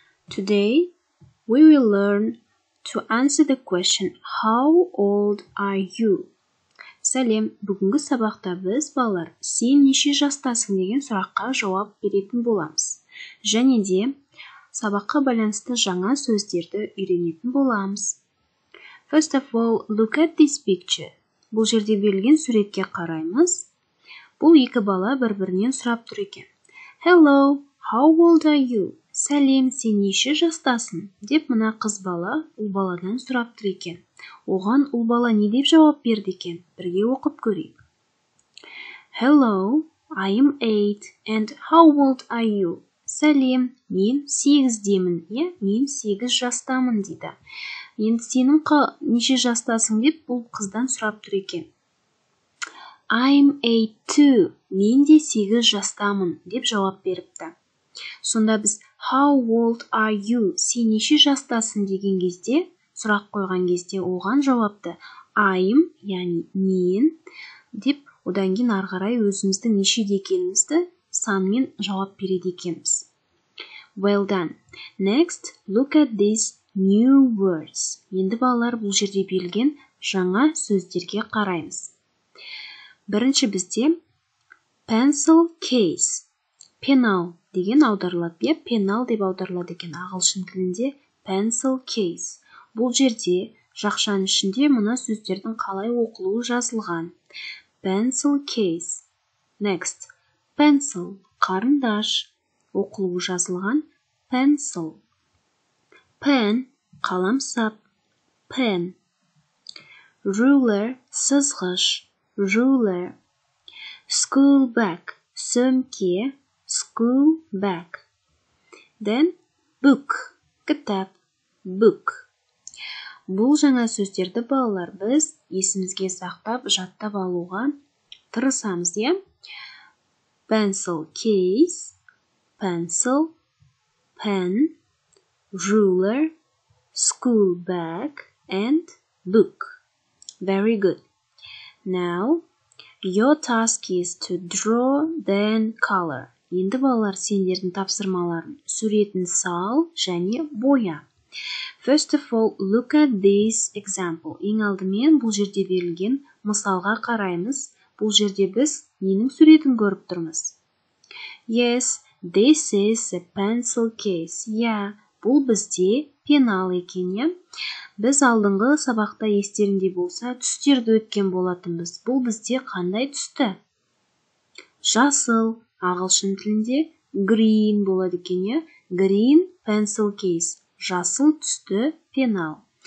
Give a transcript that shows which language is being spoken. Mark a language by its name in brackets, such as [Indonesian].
[English] Today, we will learn to answer the question, How old are you? [Kazakh] Сәлем, бүгінгі сабақта біз балалар, сен неше жастасың деген сұраққа жауап беретін боламыз. Және де, сабаққа байланысты жаңа сөздерді үйренетін боламыз. [English] First of all, look at this picture. [Kazakh] Бұл жерде берілген суретке қараймыз. Бұл екі бала бір-бірінен сұрап тұр екен. [English] Hello, how old are you? [Kazakh] Сәлем, сен неше жастасың? Деп мына қыз бала ұл баладан сұрап тұр екен. Оған ұл бала не деп жауап берді екен? Бірге оқып көрейік. [English] Hello, I am 8 and how old are you? [Kazakh] Сәлем, мен 8 демін, мен 8 жастамын дейді. Енді сенің неше жастасың деп бұл қыздан сұрап тұр екен. [English] I'm 8 too. [Kazakh] Мен де 8 жастамын деп жауап беріпті. Сонда біз [English] how old are you? [Kazakh] Сен неше жастасың деген кезде, сұрақ қойған кезде оған жауапты I'm, яғни мен деп одан кейін ары қарай өзіміздің неше екенімізді санмен жауап береді екенбіз. [English] Well done. Next, look at this new words. [Kazakh] Енді балалар бұл жерде берілген жаңа сөздерге қараймыз. Бірінші бізде pencil case. Пенал деген аударылады, пенал деп аударылады екен ағылшын тілінде pencil case. Бұл жерде жақшаның ішінде мына сөздердің қалай оқылуы жазылған. [English] Pencil case. Next. [Kazakh] Pencil қарындаш оқылуы жазылған pencil. Pen қалам сап. [English] Pen. Ruler сызғыш. Ruler. School bag сөмке. School bag. Then book кітап. Book. [Kazakh] Бұл жаңа сөздерді балалар біз есімізге сақтап, жаттап алуға тырысамыз, иә? [English] Pencil case, pencil, pen, ruler, school bag and book. Very good. Now, your task is to draw then color. [Kazakh] Енді балалар сендердің тапсырмаларың суретін сал және боя. [English] First of all, look at this example. [Kazakh] Ең алдымен бұл жерде берілген мысалға қараймыз. Бұл жерде біз ненің суретін көріп тұрмыз. [English] Yes, this is a pencil case. [Kazakh] Yeah, бұл бізде пенал екен. Біз алдыңғы сабақта естерінде болса, түстерді өткен болатынбыз. Бұл бізде қандай түсті? Жасыл, ағылшын тілінде green болады екен. [English] Green pencil case. [Kazakh] Жасыл түсті пенал.